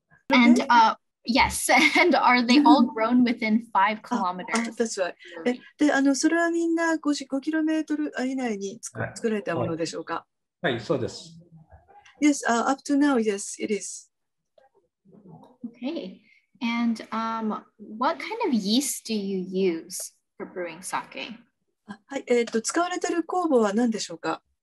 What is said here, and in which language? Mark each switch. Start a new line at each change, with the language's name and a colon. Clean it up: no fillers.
English: And yes, and are they all grown within 5 kilometers? That's right.
Japanese: それはみんな 5km 以内に作られたものでしょうか。はい、そうです。
English: Yes, up to now, yes, it is. Okay, and what kind of yeast do you use for brewing sake?
Japanese: はい、使われてる酵母は何でしょうか？